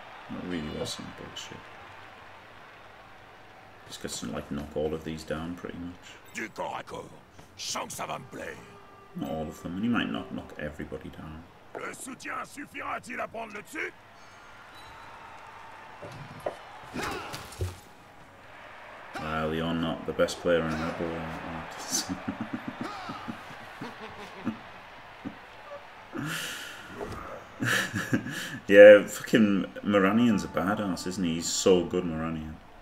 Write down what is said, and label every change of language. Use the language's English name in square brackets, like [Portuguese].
[English] That really was some bullshit. He's got to, like, knock all of these down, pretty much. Not all of them, and he might not knock everybody down. [French] Le soutien suffira-t-il à prendre le dessus? [English] Well, you're not the best player in that ball. Yeah, fucking Moranian's a badass, isn't he? He's so good, Moranian.